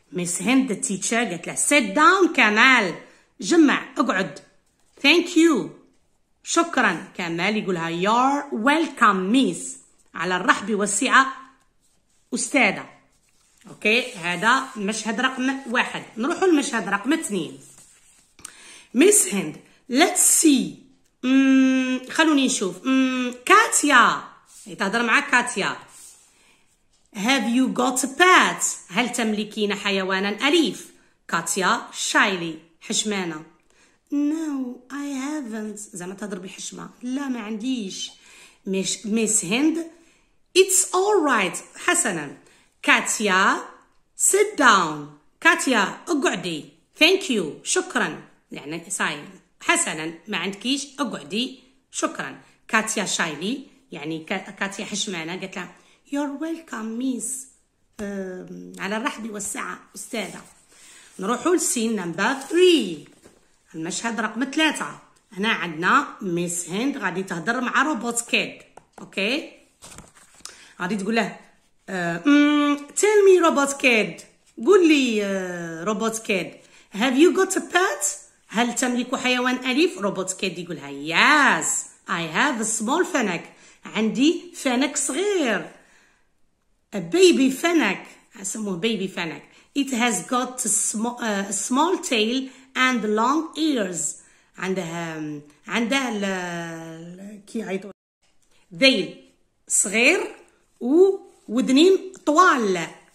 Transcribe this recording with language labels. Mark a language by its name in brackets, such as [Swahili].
[Arabic] Miss Hind [English] the teacher [Arabic] قالت له [English] sit down [Arabic] كمال، جمع اقعد. [English] Thank you شكرا. [Arabic] كمال يقولها [English] you're welcome miss، [Arabic] على الرحب والسعة أستاذة. أوكي هذا مشهد رقم واحد. نروحوا المشهد رقم اثنين. Miss Hind [English] let's see [Arabic] خلوني نشوف كاتيا يتهضر مع كاتيا [English] have you got a pet، [Arabic] هل تملكين حيوانا أليف؟ كاتيا شايلي حشمانة [English] no I haven't، [Arabic] زعما تهضر بحشمة لا ما عنديش. Miss Hind [English] it's all right، [Arabic] حسنا كاتيا [English] sit down، [Arabic] كاتيا اقعدي. [English] Thank you [Arabic] شكرا، يعني ساي حسنا ما عندكيش اقعدي شكرا. كاتيا شايلي يعني كاتيا حشمانة قالت لها [English] you're welcome miss، [Arabic] على الرحب والسعة أستاذة. نروحوا لسين نمبر 3 المشهد رقم 3. هنا عندنا ميس هند غادي تهضر مع روبوت كيد، اوكي غادي تقول له [English] tell me [Arabic] روبوت كيد، قول لي روبوت كيد [English] have you got a pet، [Arabic] هل تملك حيوان أليف؟ روبوت كيد يقولها [English] yes I have a small [Arabic] فنك، عندي فنك صغير [English] a baby [Arabic] فنك، اسموه baby فنك. [English] It has got a small tail and long ears. [Arabic] عندها ال كي عيطوا ذيل صغير وودنين طوال.